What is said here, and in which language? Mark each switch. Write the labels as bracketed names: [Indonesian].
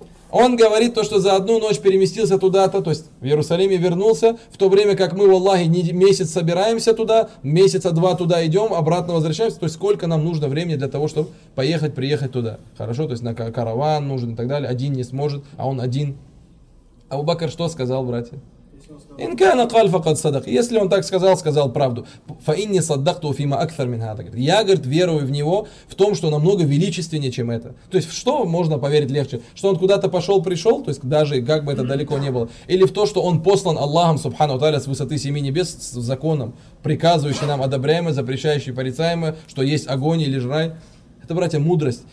[Russian] Он говорит то, что за одну ночь переместился туда-то, то есть в Иерусалиме вернулся, в то время как мы, в Аллахе, месяц собираемся туда, месяца два туда идем, обратно возвращаемся, то есть сколько нам нужно времени для того, чтобы поехать, приехать туда. Хорошо, то есть на караван нужен и так далее, один не сможет, а он один. А Абу-Бакр что сказал, братья? [Arabic] إن كان قال فقد صدق. [Russian] Если он так сказал, сказал правду. [Arabic] فإني صدقت فيما أكثر من هذا. [Russian] Я, говорит, верую в него, в том, что намного величественнее, чем это. То есть, в что можно поверить легче? Что он куда-то пошел, пришел, то есть, даже как бы это далеко не было. Или в то, что он послан Аллахом, субхану таля, с высоты семи небес, с законом, приказывающий нам одобряемое, запрещающий порицаемое, что есть огонь или жрай. Это, братья, мудрость.